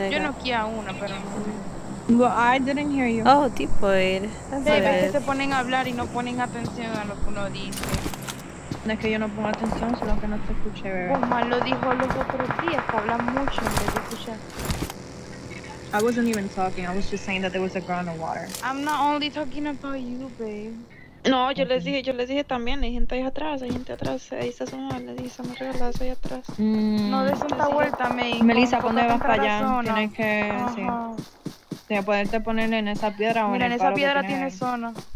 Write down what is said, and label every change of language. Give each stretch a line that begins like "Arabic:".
Spanish: Yo no quería una, pero
English: Well, I didn't hear you. Oh, tipo, it.
Spanish: Baby, que se ponen a hablar y no ponen atención a lo que uno dice. No es que yo no pongo atención, sino que no te escuché, bebé. Pues mal lo dijo los otros días, que hablan mucho en vez de escuchar.
English: I wasn't even talking, I was just saying that there was a girl in the water. I'm not only talking about you, babe.
Spanish: No, yo les dije, también, hay gente ahí atrás, ahí está su mamá, le dije, son los regalados ahí atrás. No des esta vuelta, me Melissa, cuando vas para allá, tienes que, sí. De poderte poner en esa piedra o mira, en esa piedra tiene zona.